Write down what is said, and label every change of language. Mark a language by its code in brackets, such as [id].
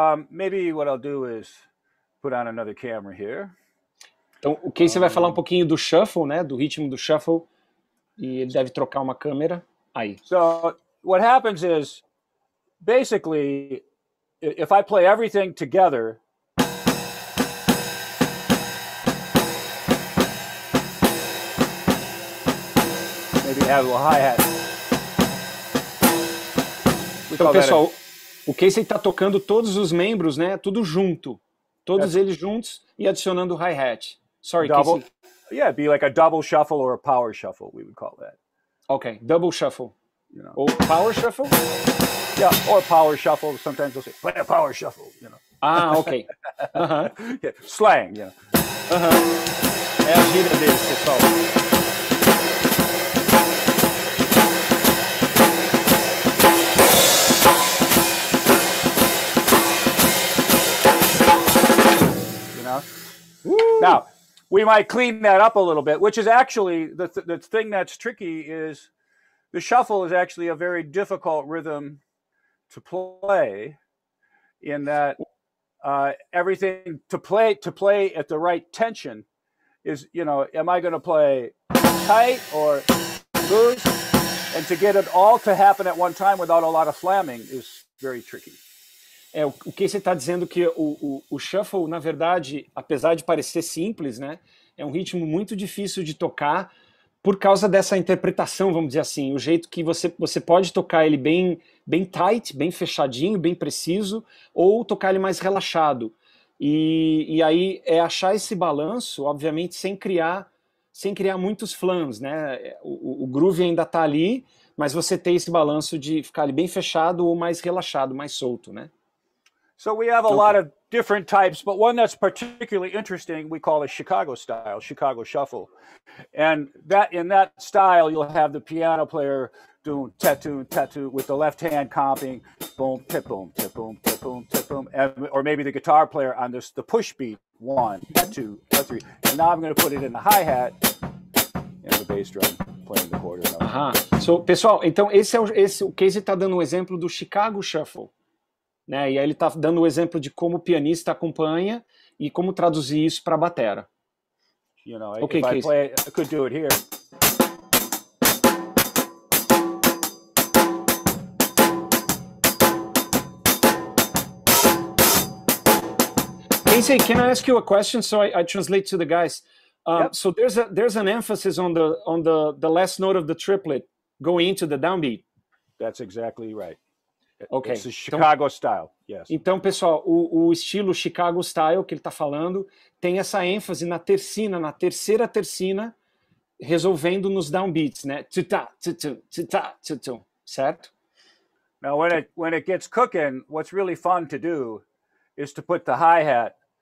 [en] Maybe what I'll do is put on another camera here. [pt] Então, o Casey vai falar um pouquinho do shuffle, né, do ritmo do shuffle, e ele deve trocar uma câmera aí. [en] So, what happens is, basically... If I play everything together, maybe add a little hi-hat. [pt] Então, pessoal, o Casey tá tocando todos os membros, né? Tudo junto. Todos eles juntos e adicionando hi-hat. [en] Sorry, double, Casey. Yeah, it'd be like a double shuffle or a power shuffle, we would call that. Okay, double shuffle. You know. [pt] Ou power shuffle? [en] Yeah, or power shuffle. Sometimes they'll say, play a power shuffle, you know. Ah, okay. Uh-huh. Yeah, slang, you know. [pt] Uh-huh. É a gíria deles, pessoal. [en] You know? Woo! Now, we might clean that up a little bit, which is actually, the thing that's tricky is, the shuffle is actually a very difficult rhythm to play, in that everything to play at the right tension is, you know, am I going to play tight or loose? And to get it all to happen at one time without a lot of slamming is very tricky. [pt] É o que você está dizendo que o shuffle, na verdade, apesar de parecer simples, né, é um ritmo muito difícil de tocar por causa dessa interpretação, vamos dizer assim, o jeito que você pode tocar ele bem, bem tight, bem fechadinho, bem preciso, ou tocar ele mais relaxado. E aí é achar esse balanço, obviamente, sem criar muitos flans, né? O groove ainda está ali, mas você tem esse balanço de ficar ali bem fechado ou mais relaxado, mais solto, né? [en] So we have a lot of different types, but one that's particularly interesting, we call a Chicago style, Chicago shuffle. And that in that style, you'll have the piano player doing tattoo, tattoo with the left hand comping, boom, tip, boom, tip, boom, tip, boom, tip, boom. Or maybe the guitar player on this, the push beat, one, two, three. And now I'm going to put it in the hi-hat and the bass drum playing the quarter note. Uh-huh. [pt] So, pessoal, então esse o Casey está dando um exemplo do Chicago shuffle. Né? E aí ele está dando o exemplo de como o pianista acompanha e como traduzir isso para a batera. [en] You know, okay, if I play, I could do it here. Casey, can I ask you a question so I translate to the guys? So there's an emphasis on the last note of the triplet going into the downbeat. That's exactly right. Okay. It's a Chicago style, yes. [pt] Então, pessoal, o estilo Chicago style que ele está falando tem essa ênfase na tercina, na terceira tercina, resolvendo nos downbeats, né? Tuta, tuta, tuta, tuta, certo? [en] Now, when it gets cooking, what's really fun to do is to put the hi-hat.